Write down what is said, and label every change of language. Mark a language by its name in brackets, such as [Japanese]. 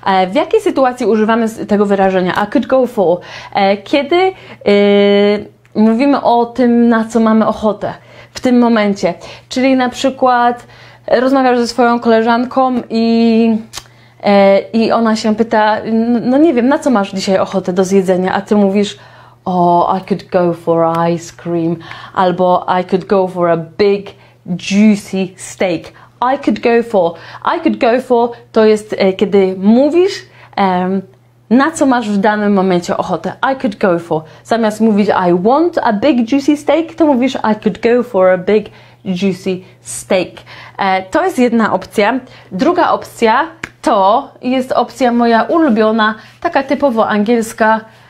[Polish] W jakiej sytuacji używamy tego wyrażenia [English] I could go for? [Polish] Kiedy mówimy o tym, na co mamy ochotę w tym momencie. Czyli na przykład rozmawiasz ze swoją koleżanką i ona się pyta, no nie wiem, na co masz dzisiaj ochotę do zjedzenia, a ty mówisz, [English] Oh, I could go for ice cream. Albo I could go for a big, juicy steak. I could go for, [Polish] to jest, kiedy mówisz, na co masz w danym momencie ochotę. I could go for. Zamiast mówić [English] I want a big, juicy steak, [Polish] to mówisz [English] I could go for a big, juicy steak. [Polish] To jest jedna opcja. Druga opcja to jest opcja moja ulubiona, taka typowo angielska.